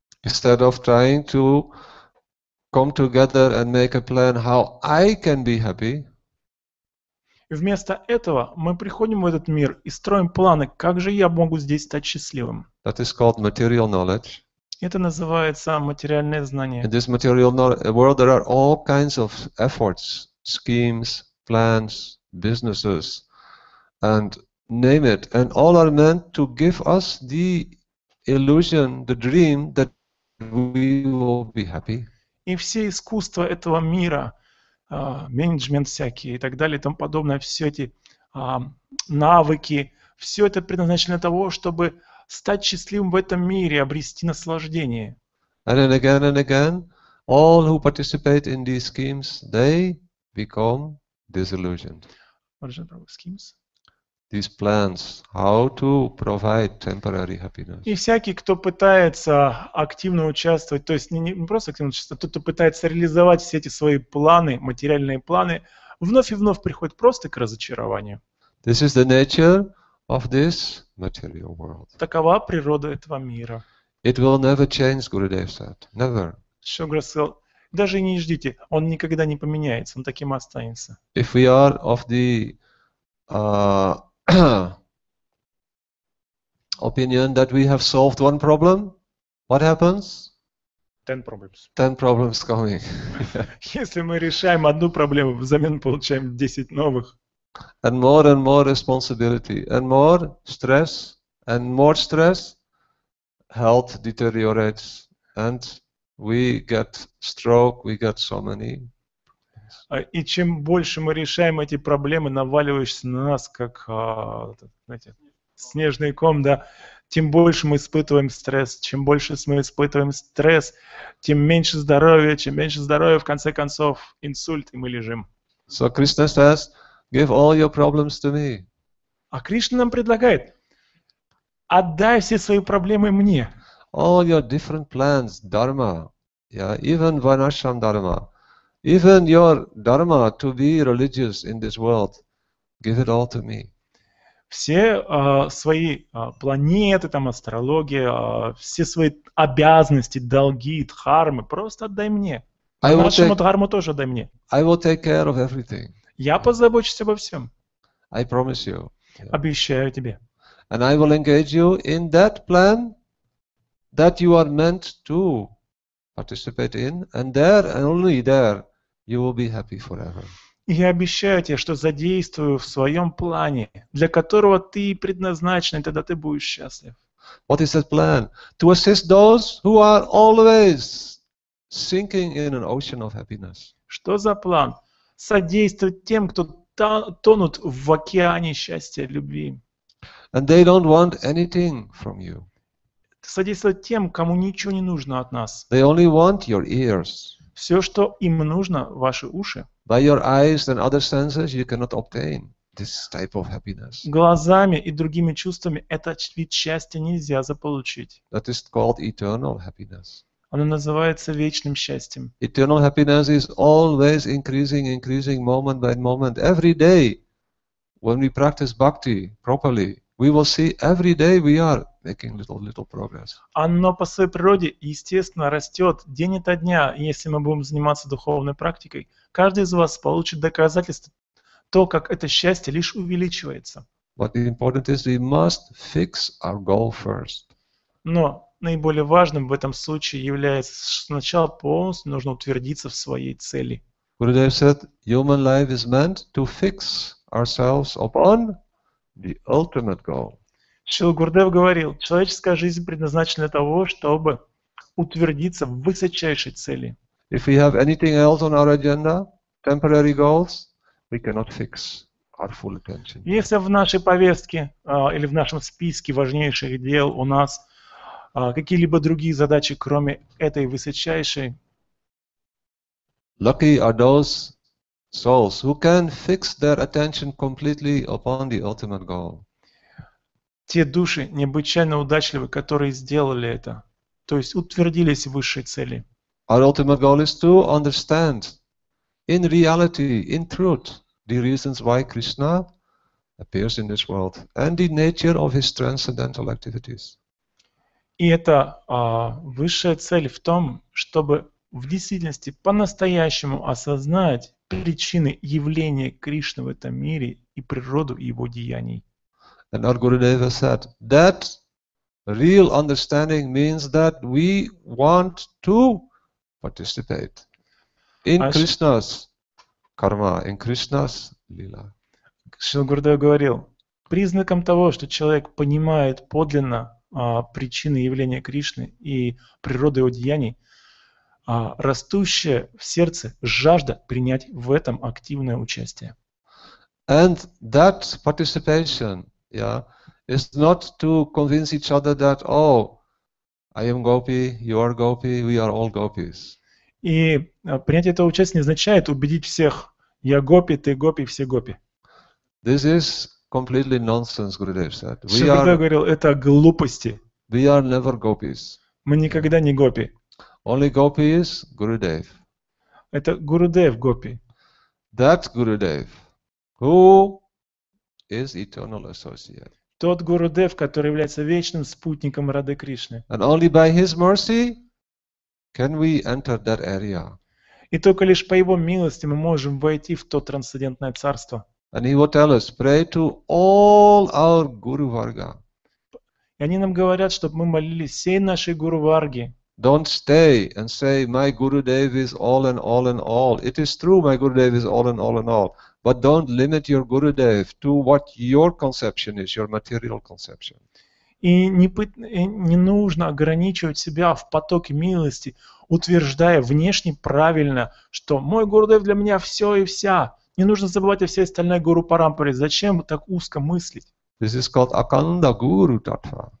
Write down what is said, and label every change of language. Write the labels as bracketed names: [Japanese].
[English] Instead of trying to come together and make a plan how I can be happy. [Russian] Вместо этого мы приходим в этот мир и строим планы, как же я могу здесь стать счастливым. [English] That is called material knowledge. [Russian] Это называется материальное знание. [English] In this material world there are all kinds of efforts, schemes, plans, businesses, and name it. And all are meant to give us the illusion, the dream that we will be happy. [Russian] И все искусства этого мира, менеджмент всякий и так далее и тому подобное, все эти навыки, все это предназначено для того, чтобы стать счастливым в этом мире, обрести наслаждение. [English] And again, all who participate in these schemes, they become disillusioned. What is the problem with schemes? These plans, how to provide temporary happiness. [Russian] И всякий, кто пытается активно участвовать, то есть не просто активно участвовать, а тот, кто пытается реализовать все эти свои планы, материальные планы, вновь и вновь приходит просто к разочарованию. [English] This is the nature of this material world. [Russian] Такова природа этого мира. [English] It will never change, Gurudev said. Never. [Russian] Шугра сказал, даже не ждите, он никогда не поменяется, он таким останется. [English] If we are of the opinion that we have solved one problem, what happens? 10 problems. 10 problems coming. [Russian] Если мы решаем одну проблему, взамен получаем 10 новых. [English] And more responsibility, and more stress, health deteriorates, and we get stroke, we get so many. [Russian] И чем больше мы решаем эти проблемы, наваливающиеся на нас, как, знаете, снежный ком, да, тем больше мы испытываем стресс. Чем больше мы испытываем стресс, тем меньше здоровья, чем меньше здоровья, в конце концов, инсульт, и мы лежим. [English] So Krishna says, give all your problems to me. [Russian] А Кришна нам предлагает: отдай все свои проблемы мне. [English] All your different plans, dharma, yeah, even vanashram dharma, even your dharma to be religious in this world, give it all to me. [Russian] Все свои планеты, там астрология, все свои обязанности, долги, дхармы, просто отдай мне. Нашему дхарму тоже отдай мне. [English] I will take care of everything. [Russian] Я позабочусь обо всем. [English] I promise you. [Russian] Yeah. Обещаю тебе. [English] And I will engage you in that plan that you are meant to participate in, and there and only there you will be happy forever. [Russian] И я обещаю тебе, что задействую в своем плане, для которого ты предназначен, и тогда ты будешь счастлив. [English] What is that plan? To assist those who are always sinking in an ocean of happiness. [Russian] Что за план? Содействовать тем, кто тонут в океане счастья, любви. [English] And they don't want anything from you. [Russian] Содействовать тем, кому ничего не нужно от нас. [English] They only want your ears. [Russian] Все, что им нужно, ваши уши. [English] By your eyes and other senses, you cannot obtain this type of happiness. [Russian] Глазами и другими чувствами этот вид счастья нельзя заполучить. [English] That is called eternal happiness. [Russian] Оно называется вечным счастьем. [English] Eternal happiness is always increasing, increasing moment by moment. Every day, when we practice bhakti properly, we will see every day we are making little progress. [Russian] Оно по своей природе, естественно, растет день ото дня, если мы будем заниматься духовной практикой. Каждый из вас получит доказательство то, как это счастье лишь увеличивается. [English] But important is we must fix our goal first. [Russian] Но наиболее важным в этом случае является, что сначала полностью нужно утвердиться в своей цели. [English] Gurudev said, human life is meant to fix ourselves upon the ultimate goal. [Russian] Шрила Гурудев говорил, человеческая жизнь предназначена для того, чтобы утвердиться в высочайшей цели. [English] If we have anything else on our agenda, temporary goals, we cannot fix our full attention. [Russian] Если в нашей повестке или в нашем списке важнейших дел у нас какие-либо другие задачи, кроме этой высочайшей. [English] Lucky are those souls who can fix their attention completely upon the ultimate goal. [Russian] Те души необычайно удачливы, которые сделали это, то есть утвердились в высшей цели. [English] Our ultimate goal is to understand in reality, in truth, the reasons why Krishna appears in this world and the nature of his transcendental activities. [Russian] И это высшая цель в том, чтобы в действительности по-настоящему осознать причины явления Кришны в этом мире и природу его деяний. [English] And our Gurudeva said, that real understanding means that we want to participate in Krishna's karma, in Krishna's lila. [Russian] Шрила Гурудев говорил, признаком того, что человек понимает подлинно причины явления Кришны и природы его деяний, растущая в сердце жажда принять в этом активное участие. [English] And that participation, yeah, is not to convince each other that, oh, I am gopi, you are gopi, we are all gopis. [Russian] И принять это участие не означает убедить всех, я гопи, ты гопи, все гопи. [English] This is completely nonsense, Gurudev said. We are. [Russian] Шрила говорил, это глупости. [English] We are never gopis. [Russian] Мы никогда не гопи. [English] Only gopi is Gurudev. [Russian] Это Гурудев гопи. [English] That Gurudev, who is eternal associate. [Russian] Тот Гурудев, который является вечным спутником Рады Кришны. [English] And only by his mercy can we enter that area. [Russian] И только лишь по его милости мы можем войти в то трансцендентное царство. [English] And he will tell us, pray to all our Guru Varga. [Russian] И они нам говорят, чтобы мы молились всей нашей Гуру Варги. [English] Don't stay and say, my Gurudev is all and all and all. It is true, my Gurudev is all and all and all. But don't limit your Gurudev to what your conception is, your material conception. [Russian] И не нужно ограничивать себя в потоке милости, утверждая внешне правильно, что мой Гурудев для меня все и вся. Не нужно забывать о всей остальной Гуру Парампаре. Зачем так узко мыслить? [English] This is called Akanda Guru Tattva.